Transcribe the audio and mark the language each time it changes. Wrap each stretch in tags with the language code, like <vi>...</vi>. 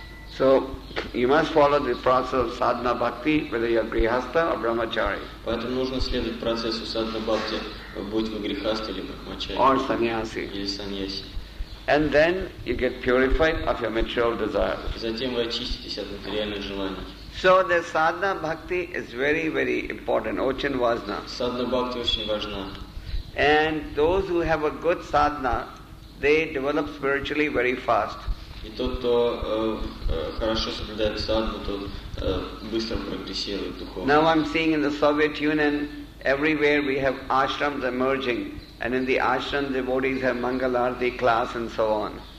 <en>So you must follow the process of sadhana bhakti, whether you are grihastha or brahmachari.</en> <ru>Поэтому нужно следовать процессу садхана бхакти, будь вы грихастха или брахмачари.</ru> <en>Or sannyasi.</en> <ru>Или sannyasi.</ru> <en>And then you get purified of your material desire.</en> <ru>Затем вы очиститесь от материальных желаний.</ru> <en>So the sadhana bhakti is very, very important.</en> <ru>Ochan vajna. Sadhana bhakti очень важна.</ru> <en>And those who have a good sadhana, they develop spiritually very fast.</en> <ru>И тот, кто хорошо соблюдает садхну, тот быстро прогрессирует духовно.</ru> <en>Now I'm seeing in the Soviet Union, everywhere we have ashrams emerging. And in the ashram, devotees have Mangal Arati class and so on.</en>